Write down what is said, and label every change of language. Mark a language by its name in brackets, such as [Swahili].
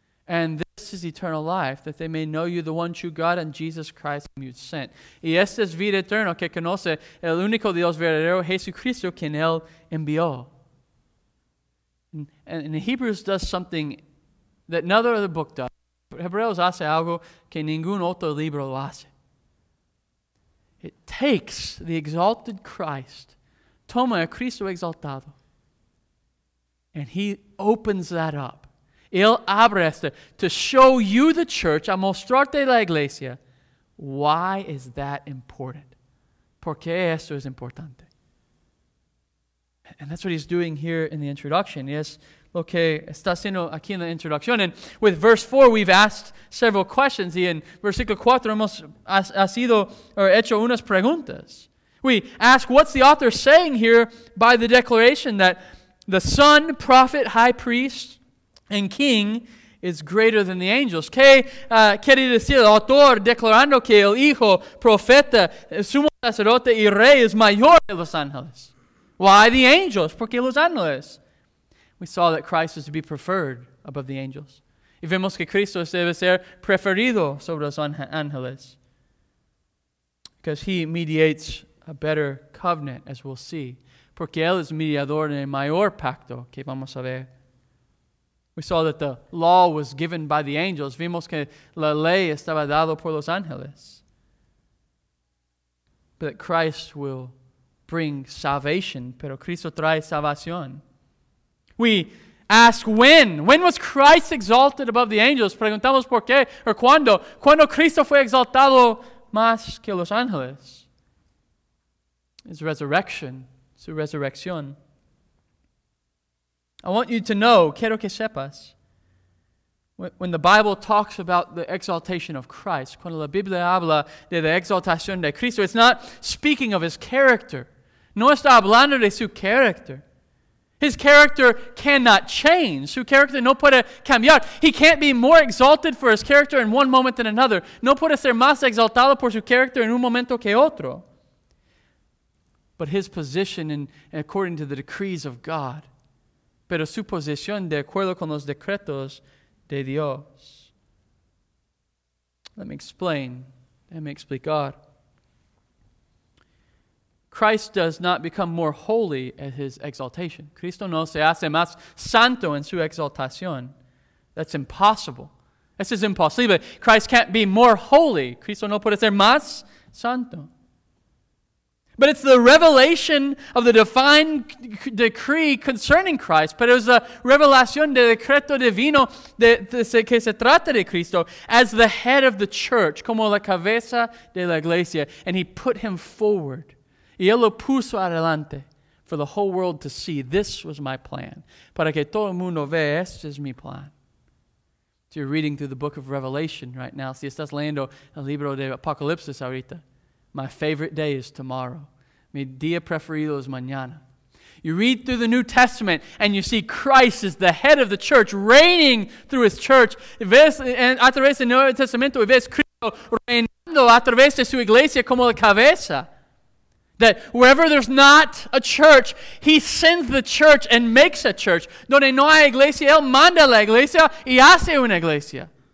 [English] And this is eternal life, that they may know you, the one true God, and Jesus Christ whom you sent. [Spanish] Y esta es vida eterna, que conoce el único Dios verdadero, Jesucristo, quien Él envió. [English] And Hebrews does something that another other book does. [Spanish] Hebreos hace algo que ningún otro libro lo hace. [English] It takes the exalted Christ, [Spanish] toma a Cristo exaltado, [English] and he opens that up. [Spanish] Él abre esto [English] to show you the church, [Spanish] a mostrarte la iglesia. [English] Why is that important? [Spanish] ¿Por qué esto es importante? [English] And that's what he's doing here in the introduction. [Spanish] Yes, lo que está haciendo aquí en la introducción. [English] And with verse 4, we've asked several questions. [Spanish] Y en versículo 4 hemos hecho unas preguntas. [English] We ask, what's the author saying here by the declaration that the Son, Prophet, High Priest, and King is greater than the angels? [Spanish] ¿Qué quiere decir el autor declarando que el Hijo, Profeta, Sumo Sacerdote y Rey es mayor de los ángeles? [English] Why the angels? [Spanish] ¿Por qué los ángeles? [English] We saw that Christ is to be preferred above the angels. [Spanish] Y vemos que Cristo debe ser preferido sobre los ángeles. [English] Because he mediates a better covenant, as we'll see. [Spanish] Porque él es mediador en el mayor pacto que vamos a ver. [English] We saw that the law was given by the angels. [Spanish] Vimos que la ley estaba dado por los ángeles. [English] But that Christ will bring salvation. [Spanish] Pero Cristo trae salvación. [English] We ask when. When was Christ exalted above the angels? [Spanish] Preguntamos por qué. [English] Or cuando. [Spanish] Cuando Cristo fue exaltado más que los ángeles. [English] His resurrection. [Spanish] Su resurrección. [English] I want you to know. [Spanish] Quiero que sepas. [English] When the Bible talks about the exaltation of Christ. [Spanish] Cuando la Biblia habla de la exaltación de Cristo. [English] It's not speaking of his character. [Spanish] No está hablando de su character. [English] His character cannot change. [Spanish] Su character no puede cambiar. [English] He can't be more exalted for his character in one moment than another. [Spanish] No puede ser más exaltado por su character en un momento que otro. [English] But his position in according to the decrees of God. [Spanish] Pero su posición de acuerdo con los decretos de Dios. [English] Let me explain. Let me explicar. Christ does not become more holy at his exaltation. [Spanish] Cristo no se hace más santo en su exaltación. [English] That's impossible. This is impossible. Christ can't be more holy. [Spanish] Cristo no puede ser más santo. [English] But it's the revelation of the divine decree concerning Christ. [Spanish] Pero es la revelación del decreto divino de que se trata de Cristo [English] as the head of the church, [Spanish] como la cabeza de la iglesia. [English] And he put him forward. [Spanish] Y él lo puso adelante [English] for the whole world to see. This was my plan. [Spanish] Para que todo el mundo vea, este es mi plan. [English] So you're reading through the book of Revelation right now. [Spanish] Si estás leyendo el libro de Apocalipsis ahorita. [English] My favorite day is tomorrow. [Spanish] Mi día preferido es mañana. [English] You read through the New Testament and you see Christ is the head of the church, reigning through his church. [Spanish] Ves, and a través del Nuevo Testamento y ves Cristo reinando a través de su iglesia como la cabeza. [English] That wherever there's not a church, he sends the church and makes a church. [Spanish] Donde no hay iglesia, él manda la iglesia y hace una iglesia.